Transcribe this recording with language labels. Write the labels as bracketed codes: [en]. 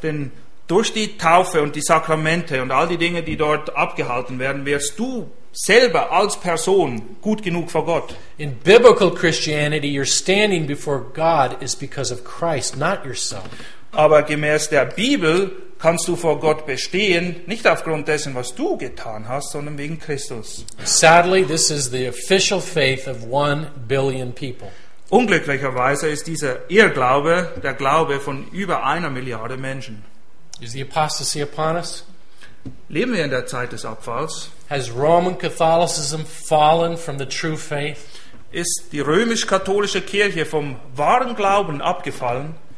[de] Denn durch die Taufe und die Sakramente und all die Dinge, die dort abgehalten werden, wirst du selber als Person gut genug vor Gott. [en] In biblical Christianity, your standing before God is because of Christ, not yourself. [de] Aber gemäß der Bibel kannst du vor Gott bestehen, nicht aufgrund dessen, was du getan hast, sondern wegen Christus. [en] Sadly, this is the official faith of 1 billion people. [de] Unglücklicherweise ist dieser Irrglaube der Glaube von über 1 Milliarde Menschen. [en] Is the apostasy upon us? [de] Leben wir in der Zeit des Abfalls? [en] Has Roman Catholicism fallen from the true faith? [de] Ist die römisch-katholische Kirche vom wahren Glauben abgefallen?